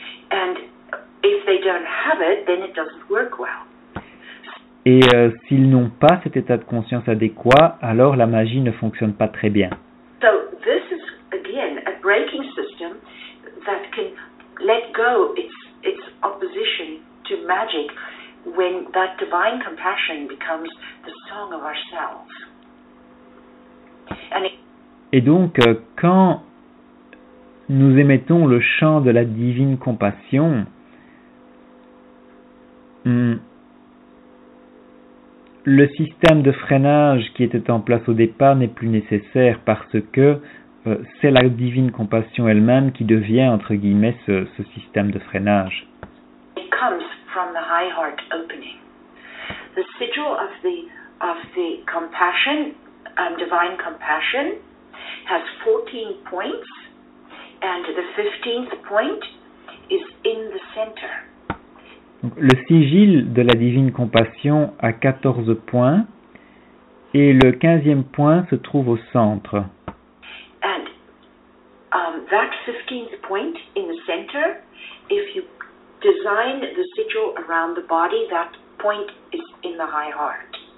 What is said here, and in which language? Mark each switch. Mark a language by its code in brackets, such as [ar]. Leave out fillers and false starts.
[en] And if they don't have it, then it doesn't work well. [fr] Et s'ils n'ont pas cet état de conscience adéquat, alors la magie ne fonctionne pas très bien. [en] So this is again a breaking system that can let go its opposition to magic when that divine compassion becomes the song of ourselves. [fr] Et donc, quand nous émettons le chant de la divine compassion, le système de freinage qui était en place au départ n'est plus nécessaire parce que c'est la divine compassion elle-même qui devient, entre guillemets, ce système de freinage. [en] It comes from the high heart opening. The sigil of the compassion, divine compassion, has 14 points, and the 15th point is in the center. [fr] Donc, le sigil de la divine compassion a 14 points, et le 15e point se trouve au centre. [en] And that 15th point in the center, if you design the sigil around the body, that point is in the high heart.